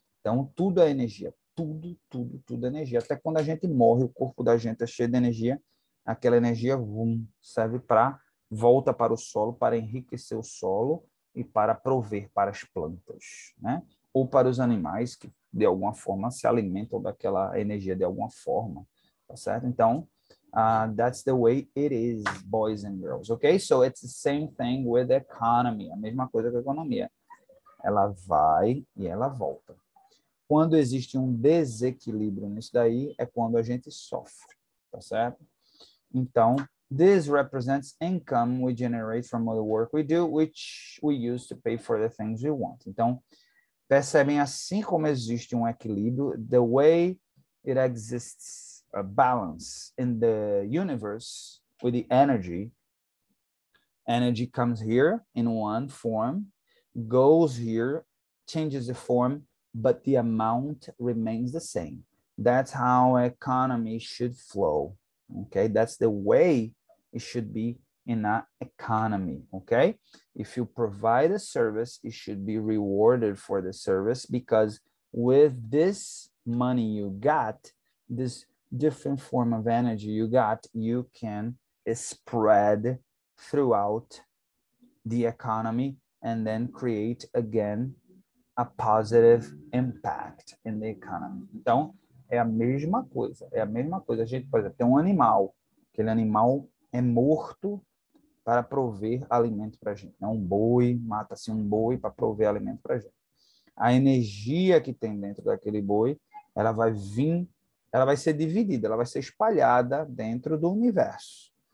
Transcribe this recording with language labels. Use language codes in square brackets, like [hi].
[pt] Então, tudo é energia. Tudo, tudo, tudo é energia. Até quando a gente morre, o corpo da gente é cheio de energia. Aquela energia, vum, serve para volta para o solo, para enriquecer o solo e para prover para as plantas, né? Ou para os animais que, de alguma forma, se alimentam daquela energia de alguma forma, tá certo? [en] Então, that's the way it is, boys and girls, okay? So, it's the same thing with the economy. [pt] A mesma coisa com a economia. Ela vai e ela volta. Quando existe um desequilíbrio nisso daí, é quando a gente sofre, tá certo? [en] Então, this represents income we generate from other work we do, which we use to pay for the things we want. [pt] Então, percebem assim como existe um equilíbrio, [en] the way it exists, a balance in the universe with the energy. Energy comes here in one form, goes here, changes the form, but the amount remains the same. That's how economy should flow. Okay? That's the way it should be in an economy. Okay? If you provide a service, it should be rewarded for the service because with this money you got, this different form of energy you got, you can spread throughout the economy and then create again a positive impact in the economy. [pt] Então, é a mesma coisa. É a mesma coisa. A gente, por exemplo, tem um animal. Aquele animal é morto para prover alimento para a gente. Não, um boi, mata-se um boi para prover alimento para a gente. A energia que tem dentro daquele boi, ela vai vir, ela vai ser dividida, ela vai ser espalhada dentro do universo.